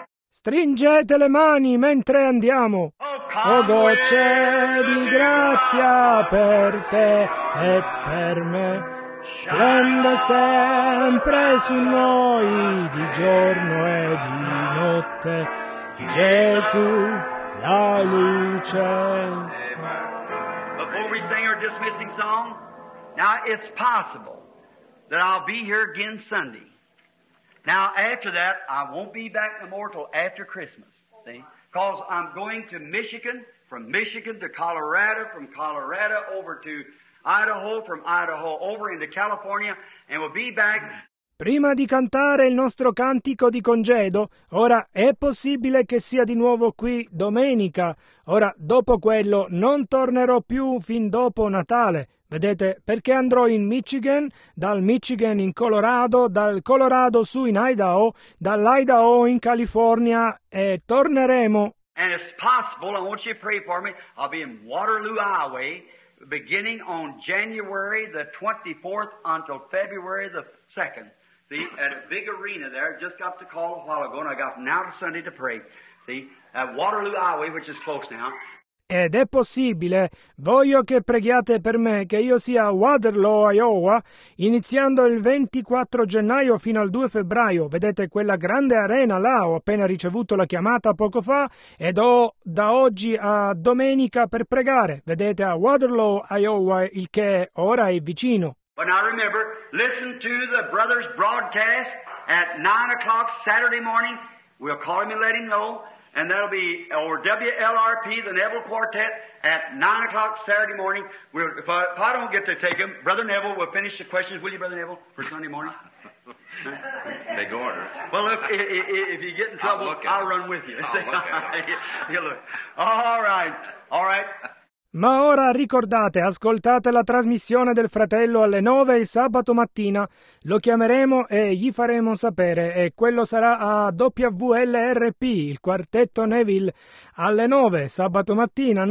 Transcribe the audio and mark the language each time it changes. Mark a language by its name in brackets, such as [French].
[Italian] Stringete le mani mentre andiamo. O gocce di grazia per te e per me. Splende sempre su noi, di giorno e di notte, Gesù, la luce. [English] Before we sing our dismissing song, now it's possible that I'll be here again Sunday. Now after that, I won't be back no more till after Christmas, see? Because I'm going to Michigan, from Michigan to Colorado, from Colorado over to Idaho, from Idaho over into California, and we'll be back. [Italian] Prima di cantare il nostro cantico di congedo, ora è possibile che sia di nuovo qui domenica. Ora, dopo quello, non tornerò più fin dopo Natale. Vedete, perché andrò in Michigan, dal Michigan in Colorado, dal Colorado su in Idaho, dall'Idaho in California e torneremo. [English] And it's possible, I want you to pray for me, I'll be in Waterloo, Iowa, beginning on January the 24th until February the 2nd. See, at a big arena there, just got the call a while ago and I got now to Sunday to pray. See, at Waterloo, Iowa, which is close now. [Italian] Ed è possibile, voglio che preghiate per me che io sia a Waterloo, Iowa, iniziando il 24 gennaio fino al 2 febbraio. Vedete quella grande arena là, ho appena ricevuto la chiamata poco fa ed ho da oggi a domenica per pregare. Vedete a Waterloo, Iowa, il che ora è vicino. [English] But now remember, listen to the brother's broadcast at 9 o'clock Saturday morning. We'll call him and let him know. And that'll be our WLRP, the Neville Quartet, at 9 o'clock Saturday morning. We'll, if I don't get to take him, Brother Neville will finish the questions, will you, Brother Neville, for Sunday morning? They go on. Well, if you get in trouble, I'll run with you. I'll look. All right. [Italian] Ma ora ricordate, ascoltate la trasmissione del fratello alle 9 il sabato mattina. Lo chiameremo e gli faremo sapere e quello sarà a WLRP, il quartetto Neville, alle 9 sabato mattina.